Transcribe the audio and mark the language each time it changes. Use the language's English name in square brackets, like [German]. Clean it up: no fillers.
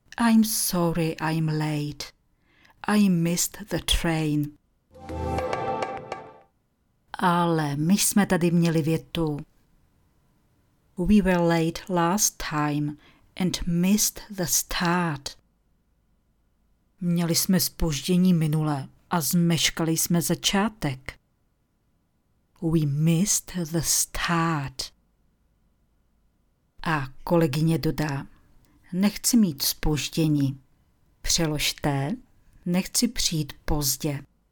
[English] I'm sorry I'm late. I missed the train. [Czech] Ale my jsme tady měli větu. [English] We were late last time and missed the start. [Czech] Měli jsme zpoždění minule a zmeškali jsme začátek. [English] We missed the start. [Czech] A kolegyně dodá, nechci mít zpoždění. Přeložte, nechci přijít pozdě.